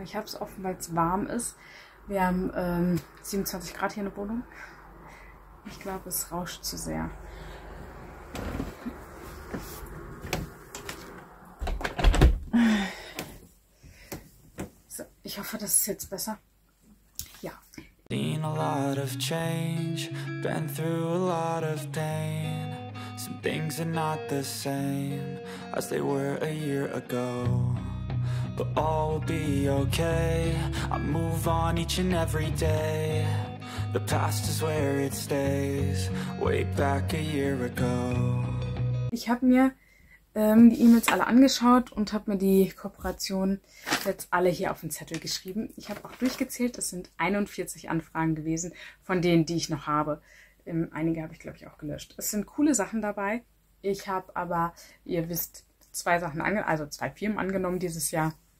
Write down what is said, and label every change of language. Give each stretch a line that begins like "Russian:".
German: Ich habe es offen, weil es warm ist. Wir haben 27 Grad hier in der Wohnung. Ich glaube, es rauscht zu sehr. Ich hoffe, das ist jetzt besser. Ja.
English: Seen a lot of change, been through a lot of pain. Some things are not the same as they were a year ago. But all will be okay. I move on each and every day. The past is where it stays. Way back a year ago.
German: Ich habe mir die E-Mails alle angeschaut und habe mir die Kooperation jetzt alle hier auf den Zettel geschrieben. Ich habe auch durchgezählt, es sind 41 Anfragen gewesen von denen, die ich noch habe. Einige habe ich, glaube ich, auch gelöscht. Es sind coole Sachen dabei. Ich habe aber, ihr wisst, zwei Firmen angenommen dieses Jahr.